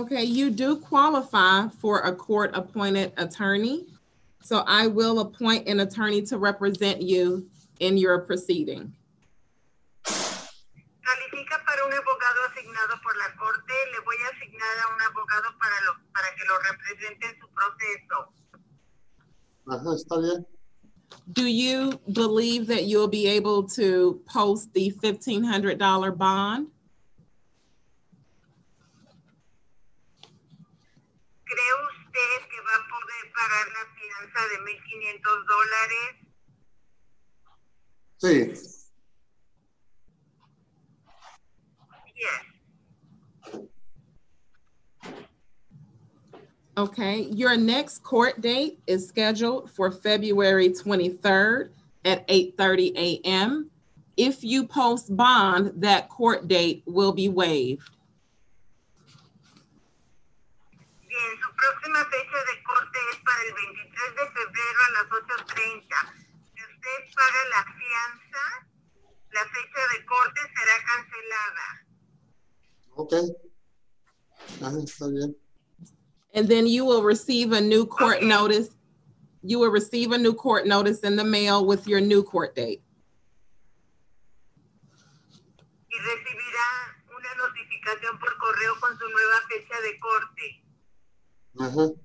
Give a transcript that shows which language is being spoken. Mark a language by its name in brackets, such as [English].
[English] Okay, you do qualify for a court-appointed attorney. So I will appoint an attorney to represent you in your proceeding. [Spanish] Califica para un abogado asignado por la corte. Le voy a asignar a un abogado para que lo represente en su proceso. Ajá, está bien. [English] Do you believe that you'll be able to post the $1,500 bond? [Spanish] ¿Cree usted que va a poder pagar la fianza de $1,500? Sí. [English] Yes. Okay, your next court date is scheduled for February 23rd at 8:30 a.m. If you post bond, that court date will be waived. [Spanish] Bien, su próxima fecha de corte es para el 23 de febrero a las 8:30. Si usted paga la fianza, la fecha de corte será cancelada. [English] Okay. And then you will receive a new court notice. You will receive a new court notice in the mail with your new court date. [Spanish] Y recibirá una notificación por correo con su nueva fecha de corte.